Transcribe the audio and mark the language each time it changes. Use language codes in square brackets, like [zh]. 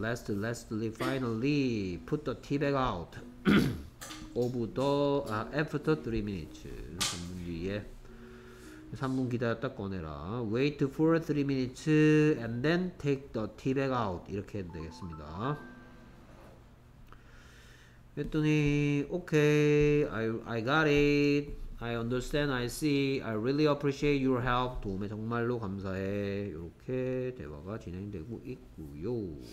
[en] lastly, finally put the tea bag out of the, after 3 minutes. [ko] 3분 뒤에 3분 기다렸다 꺼내라. [en] wait for 3 minutes and then take the tea bag out. [ko] 이렇게 해도 되겠습니다. 했더니 오케이 [en] I got it. I understand. I see. I really appreciate your help. [ko] 도움에 정말로 감사해. 이렇게 대화가 진행되고 있고요.